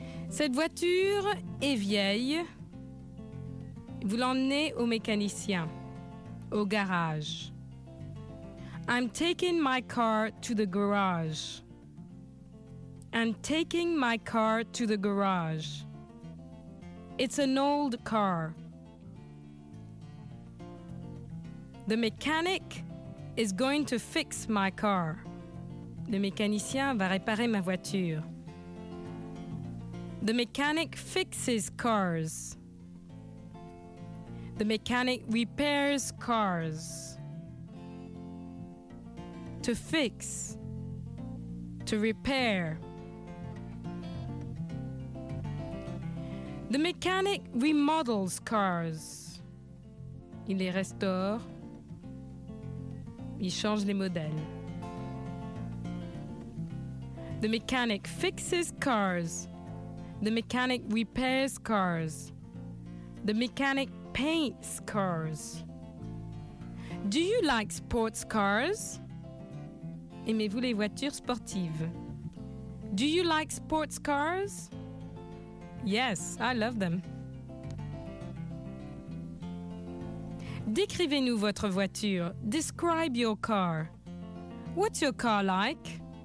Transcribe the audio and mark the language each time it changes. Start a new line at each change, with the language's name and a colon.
French: Cette voiture est vieille. Vous l'emmenez au mécanicien, au garage.
English: I'm taking my car to the garage. I'm taking my car to the garage. It's an old car. The mechanic is going to fix my car.
French: Le mécanicien va réparer ma voiture.
English: The mechanic fixes cars. The mechanic repairs cars. To fix. To repair. The mechanic remodels cars.
French: Il les restaure. Il change les modèles.
English: The mechanic fixes cars. The mechanic repairs cars. The mechanic paints cars. Do you like sports cars?
French: Aimez-vous les voitures sportives?
English: Do you like sports cars? Yes, I love them.
French: Décrivez-nous votre voiture.
English: Describe your car. What's your car like?